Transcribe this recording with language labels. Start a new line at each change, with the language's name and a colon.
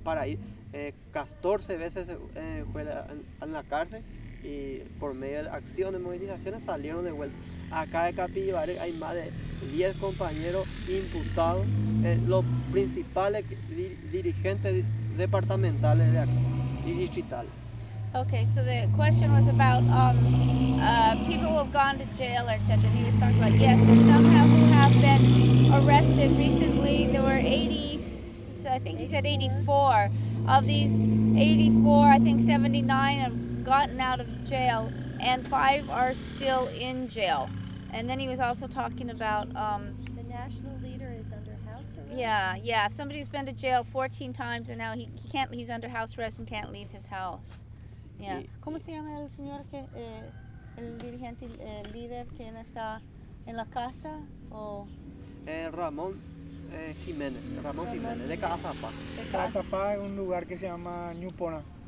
Spanish: Para ir 14 veces fue en la cárcel y por medio de acciones, movilizaciones, salieron de vuelta. Acá en Capillibare hay más de 10 compañeros imputados, los principales dirigentes departamentales de acá y distritales.
English: Okay, so the question was about people who have gone to jail, etc. He was talking about, yes, there's some who have been arrested recently. There were 84 of these 84, I think 79 have gotten out of jail, and 5 are still in jail. And then he was also talking about the national leader is under house arrest. Yeah, somebody's been to jail 14 times and now he can't, he's under house arrest and can't leave his house. Yeah.
Spanish: ¿Cómo se llama el señor que el dirigente líder que él está en la casa o? Ramón Jiménez. Ramón Jiménez de Cazapá. De Cazapá es un lugar que se llama Ñupona.